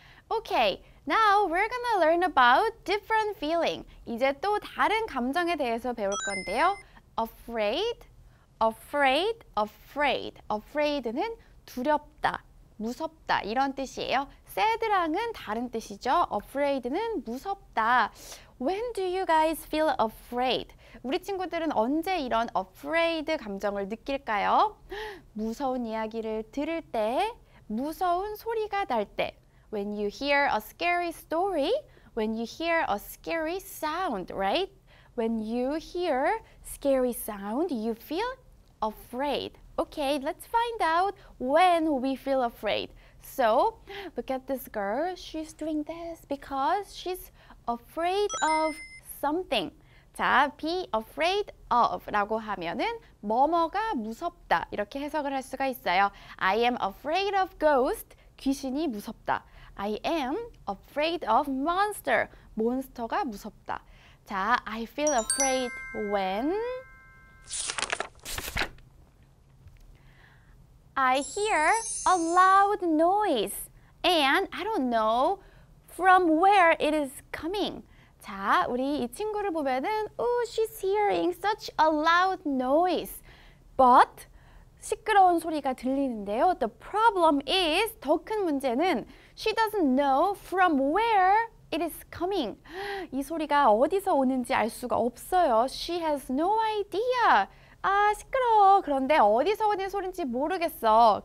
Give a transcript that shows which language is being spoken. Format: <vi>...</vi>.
<en>Okay, now we're gonna learn about different feeling.</en> <ko>이제 또 다른 감정에 대해서 배울 건데요.</ko> <en>Afraid, afraid, afraid.</en> <ko>Afraid는 두렵다, 무섭다 이런 뜻이에요. Sad랑은 다른 뜻이죠. Afraid는 무섭다.</ko> <en>When do you guys feel afraid?</en> <ko>우리 친구들은 언제 이런 afraid 감정을 느낄까요? 무서운 이야기를 들을 때, 무서운 소리가 날 때.</ko> <en>When you hear a scary story, when you hear a scary sound, right? When you hear scary sound, you feel afraid. Okay, let's find out when we feel afraid. So, look at this girl. She's doing this because she's afraid of something.</en> <ko>자, be afraid of 라고 하면은 뭐뭐가 무섭다 이렇게 해석을 할 수가 있어요.</ko> <en>I am afraid of ghost.</en> <ko>귀신이 무섭다.</ko> <en>I am afraid of monster.</en> <ko>몬스터가 무섭다.</ko> <en>자, I feel afraid when I hear a loud noise and I don't know from where it is coming.</en> <ko>자, 우리 이 친구를 보면은</ko> <en>she's hearing such a loud noise.</en> <ko>But 시끄러운 소리가 들리는데요.</ko> <en>The problem is</en> <ko>더 큰 문제는</ko> <en>she doesn't know from where it is coming.</en> <ko>이 소리가 어디서 오는지 알 수가 없어요.</ko> <en>She has no idea.</en> <ko>아, 시끄러워. 그런데 어디서 오는 소리인지 모르겠어.</ko>